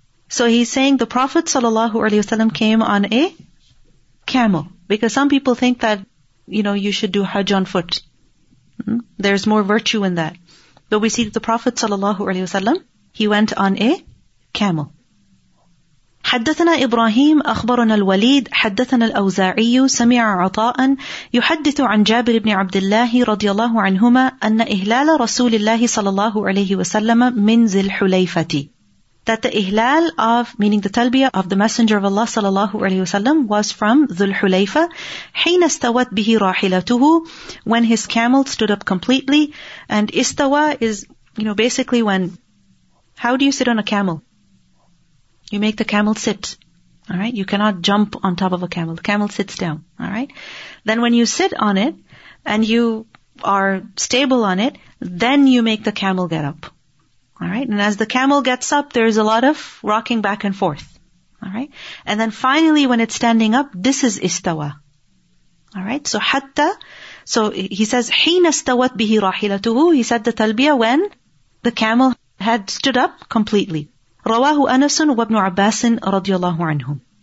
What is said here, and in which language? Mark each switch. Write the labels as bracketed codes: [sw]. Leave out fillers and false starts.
[en] So he's saying the Prophet sallallahu alaihi wasallam came on a camel. Because some people think that, you know, you should do Hajj on foot. There's more virtue in that. But we see that the Prophet sallallahu alaihi wasallam, he went on a camel. [ar] حدثنا إبراهيم أخبرنا الوليد حدثنا الأوزاعي سمع عطاء يحدث عن جابر بن عبد الله رضي الله عنهما أن إهلال رسول الله صلى الله عليه وسلم من ذي الحليفة. [en] That the إهلال of, meaning the talbiyah of the Messenger of Allah صلى الله عليه وسلم, was from ذي الحليفة. [ar] حين استوت به راحلته, [en] when his camel stood up completely. And استوى is, you know, basically when, how do you sit on a camel? You make the camel sit, all right? You cannot jump on top of a camel. The camel sits down, all right? Then when you sit on it and you are stable on it, then you make the camel get up, all right? And as the camel gets up, there's a lot of rocking back and forth, all right? And then finally, when it's standing up, this is istawa, all right? So hatta, so he says, [ar] حِينَ اسْتَوَتْ بِهِ رَاحِلَتُهُ, [en] he said the talbiyah when the camel had stood up completely. [ar] رواه أنس وابن عباس رضي الله عنهم.